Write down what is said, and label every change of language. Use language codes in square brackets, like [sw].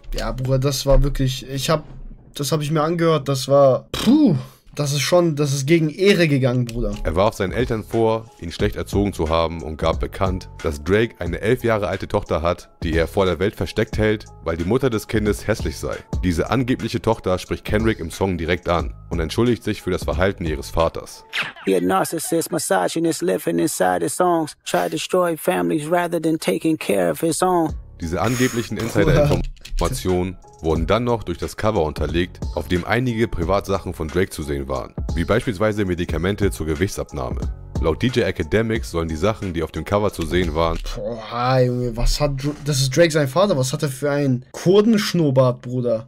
[de] Ja, Bruder, das war wirklich, das habe ich mir angehört, das war, puh, das ist gegen Ehre gegangen, Bruder. Er warf seinen Eltern vor, ihn schlecht erzogen zu haben und gab bekannt, dass Drake eine 11 Jahre alte Tochter hat, die er vor der Welt versteckt hält, weil die Mutter des Kindes hässlich sei. Diese angebliche Tochter spricht Kendrick im Song direkt an und entschuldigt sich für das Verhalten ihres Vaters. [en] Ihr Narcissist, Misogynist, living inside his songs, try to destroy families rather than taking care of his own. [de] Diese angeblichen Insider-Informationen wurden dann noch durch das Cover unterlegt, auf dem einige Privatsachen von Drake zu sehen waren, wie beispielsweise Medikamente zur Gewichtsabnahme. Laut DJ Academics sollen die Sachen, die auf dem Cover zu sehen waren... Boah, Junge, das ist Drake sein Vater, was hat er für einen Kurdenschnurrbart, Bruder?